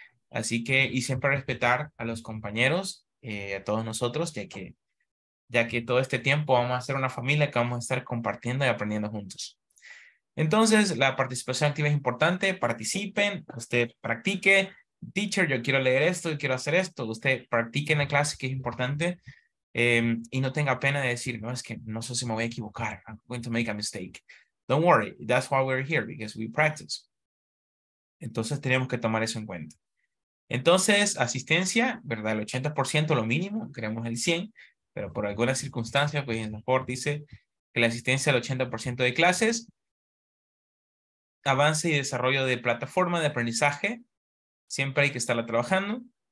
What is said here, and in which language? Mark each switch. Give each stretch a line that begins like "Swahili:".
Spanish: Así que, y siempre respetar a los compañeros, a todos nosotros, ya que todo este tiempo vamos a ser una familia que vamos a estar compartiendo y aprendiendo juntos. Entonces, la participación activa es importante. Participen, usted practique. Teacher, yo quiero leer esto, yo quiero hacer esto. Usted practique en la clase, que es importante. Y no tenga pena de decir, no, es que no sé si me voy a equivocar.
English: I'm going to make a mistake. Don't worry, that's why we're here, because we practice.
Spanish: Entonces, tenemos que tomar eso en cuenta. Entonces, asistencia, ¿verdad? El 80% lo mínimo, queremos el 100%. Pero por alguna circunstancia, pues en transporte dice que la asistencia al 80% de clases, avance y desarrollo de plataforma de aprendizaje, siempre hay que estarla trabajando.